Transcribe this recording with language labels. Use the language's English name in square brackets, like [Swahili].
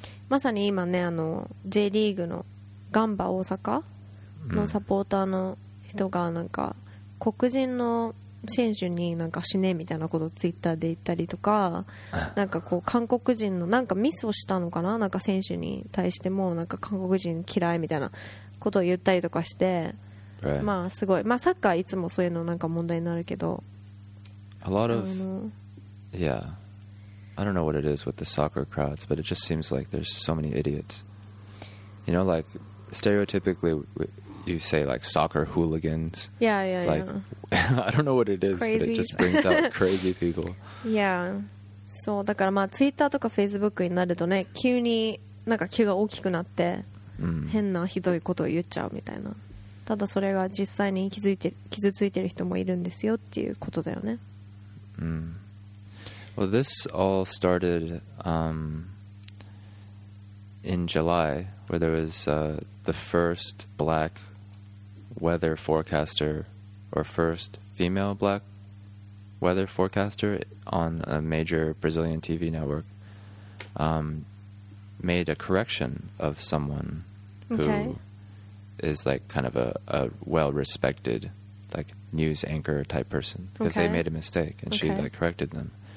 [Japanese] まさに今ね、あの J リーグのガンバ大阪のサポーターの人がなんか黒人の選手になんか死ねみたいなことをツイッターで言ったりとか、なんかこう韓国人のなんかミスをしたのかな、なんか選手に対してもなんか韓国人嫌いみたいなことを言ったりとかして、 [English] right. [Japanese] まあすごい、まあサッカーいつもそういうのなんか問題になるけど、 [English] a lot of yeah, I don't know what it is with the soccer crowds, but it just seems like there's so many idiots. You know, like stereotypically. You say like soccer hooligans. Yeah, yeah, like, yeah. I don't know what it is, crazy. But it just brings out crazy people. Yeah. So, [Japanese] だからまあ Twitter とか Facebook になるとね、急になんか気が大きくなって、変なひどいことを言っちゃうみたいな。ただそれが実際に傷ついてる人もいるんですよっていうことだよね。 [English] Well, this all started in July, where there was the first black weather forecaster or first female black weather forecaster on a major Brazilian TV network made a correction of someone who is like kind of a well-respected like news anchor type person because they made a mistake and she like corrected them.